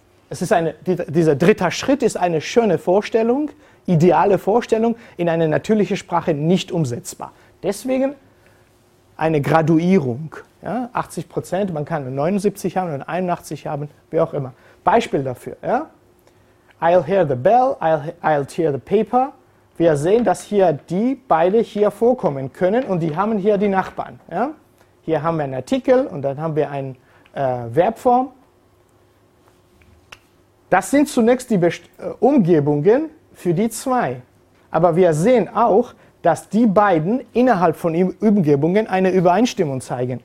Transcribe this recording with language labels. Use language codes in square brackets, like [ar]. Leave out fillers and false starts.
[de] Es ist dieser dritte Schritt ist eine schöne Vorstellung, ideale Vorstellung, in einer natürlichen Sprache nicht umsetzbar. Deswegen eine Graduierung. Ja, 80%, man kann 79 haben oder 81 haben, wie auch immer. Beispiel dafür. Ja. [en] I'll hear the bell, I'll tear the paper. [de] Wir sehen, dass hier die beide hier vorkommen können und die haben hier die Nachbarn. Ja. Hier haben wir einen Artikel und dann haben wir eine Verbform. Das sind zunächst die Umgebungen für die zwei. Aber wir sehen auch, dass die beiden innerhalb von Umgebungen eine Übereinstimmung zeigen.